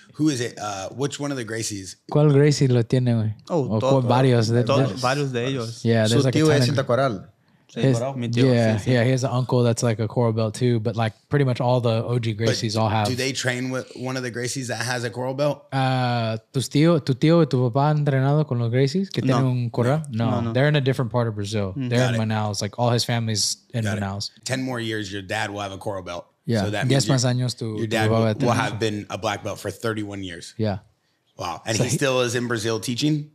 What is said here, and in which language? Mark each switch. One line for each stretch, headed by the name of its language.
English: Who is it? Which one of the Gracies?
Spanish: ¿Cuál Gracie lo tiene? Oh, varios. Varios de ellos.
English: Yeah, there's
Spanish: su
English: like
Spanish: tío es cinta coral.
English: Yeah, he has an uncle that's like a coral belt too, but like pretty much all the OG Gracies all have. Do they train with one of the Gracies that has a coral belt?
Spanish: Tu tío y tu papá han entrenado con los Gracies que tienen un coral? No.
English: They're in a different part of Brazil. Mm. They're in Manaus. Like all his family's in Manaus. 10 more years, your dad will have a coral belt. Yeah. So that means your dad will have been a black belt for 31 years. Yeah. Wow. And so he still is in Brazil teaching?